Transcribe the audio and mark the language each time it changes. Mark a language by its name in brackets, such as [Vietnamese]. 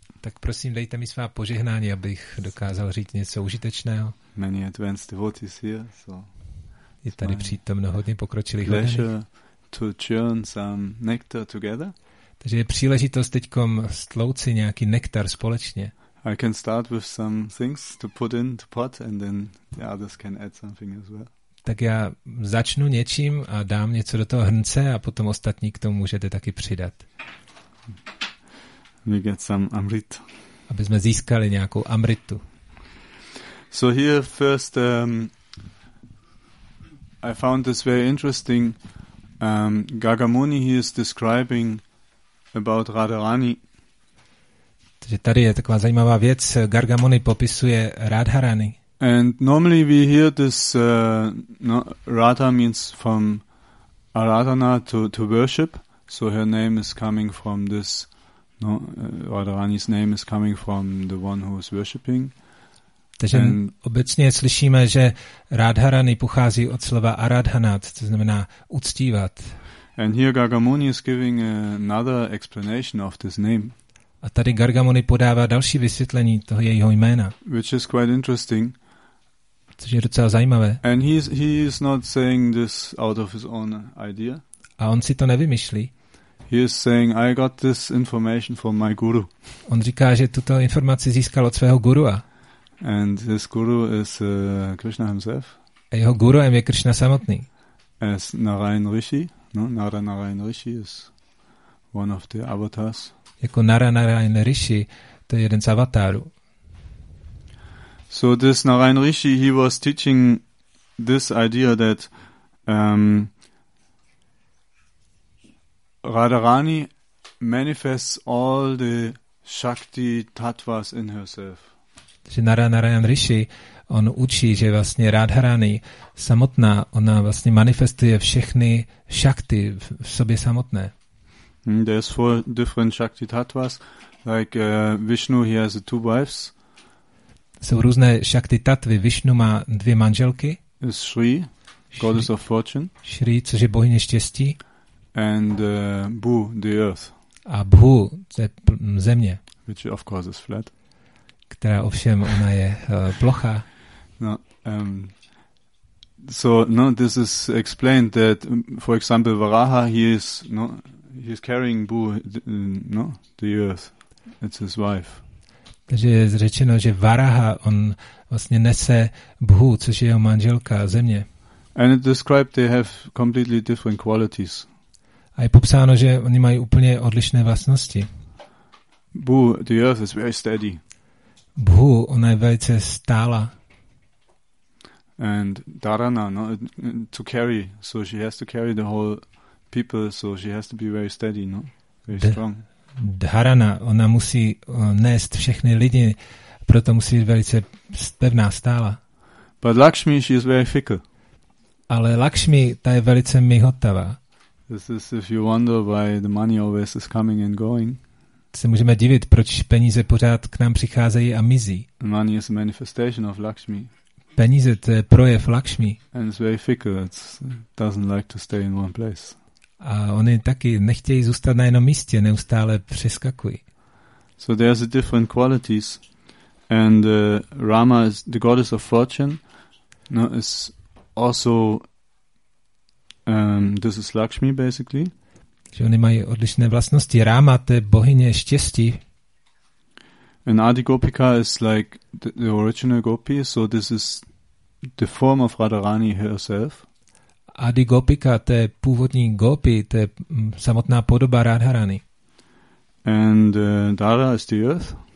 [Czech] Tak prosím, dejte mi svá požehnání, abych dokázal říct něco užitečného. [English] Many advanced devotees here, so [Czech] je tady přítomno hodně pokročilých hodin. [English] To churn some nectar together. [Czech] Takže je příležitost teďkom stlouci nějaký nektar společně. [English] I can start with some things to put in the pot and then the others can add something as well. [Czech] Tak já začnu něčím a dám něco do toho hrnce a potom ostatní k tomu můžete taky přidat. [English] We get some amrit. [Czech] Aby jsme získali nějakou amritu. [English] So here first I found this very interesting. Gagamuni he is describing about Radharani. [Czech] Takže tady je taková zajímavá věc. Gargamuni popisuje Radharani. [English] And normally we hear this Radha means from Aradhana to worship. So her name is coming from this, no, Radharani's name is coming from the one who is worshipping. [Czech] Takže [English] and [Czech] obecně slyšíme, že Radharani pochází od slova Aradhanat, to znamená uctívat. [English] And here Gargamuni is giving another explanation of this name. [Czech] A tady Gargamuni podává další vysvětlení toho jejího jména. [English] Which is quite interesting. [Czech] Což je docela zajímavé. [English] And he is not saying this out of his own idea. [Czech] A on si to nevymyslí. [English] He is saying I got this information from my guru. [Czech] On říká, že tuto informaci získal od svého gurua. [English] And his guru is Krishna himself. [Czech] A jeho guruem je Krishna samotný. [English] As Narayan Rishi, no, Narayan Rishi is one of the avatars. [Czech] Jako Narayan Rishi, to je jeden z avatarů. [English] So this Narayan Rishi, he was teaching this idea that Radharani manifests all the Shakti Tattvas in herself. [Czech] Takže Narayan Rishi, on učí, že vlastně Radharani samotná, ona vlastně manifestuje všechny Shakti v sobě samotné. [English] There's four different Shakti Tattvas. Like Vishnu, he has two wives. [Czech] Jsou různé šakty tatvy. Vishnu má dvě manželky. [English] Shri, goddess of fortune. [Czech] Shri, což je bohyně štěstí. [English] And Bhu, the earth. [Czech] A Bhu, to je země. [English] Which of course is flat. [Czech] Která ovšem ona je plochá. [English] No, so no, this is explained that, for example, Varaha, he is carrying Bhu, no, the earth. It's his wife. [Czech] Takže je řečeno, že Varaha, on vlastně nese Bhu, což je jeho manželka, země. [English] And it described they have completely different qualities. [Czech] A je popsáno, že oni mají úplně odlišné vlastnosti. [English] Bhu, the earth is very steady. [Czech] Bhu, ona je velice stála. [English] And Dharana, no, to carry, so she has to carry the whole people, so she has to be very steady, no, very strong. [Czech] Dharana, ona musí nést všechny lidi, proto musí být velice pevná, stála. [English] But Lakshmi, she is very fickle. [Czech] Ale Lakshmi, ta je velice mihotavá. [English] This is if you wonder why the money always is coming and going. [Czech] Se můžeme divit, proč peníze pořád k nám přicházejí a mizí. [English] Money is a manifestation of Lakshmi. [Czech] Peníze, to je projev Lakshmi. [English] And it's very fickle, it doesn't like to stay in one place. [Czech] A oni taky nechtějí zůstat na jednom místě, neustále přeskakují. [English] So there's a different qualities. And Rama is the goddess of fortune. No, is also this is Lakshmi basically. [Czech] Že oni mají odlišné vlastnosti. Rama, to je bohyně štěstí. [English] And Adi Gopika is like the original Gopi, so this is the form of Radharani herself. [Czech] Adi Gopika, to je původní Gopi, to je samotná podoba Radharani. [English] And Dhara is the earth.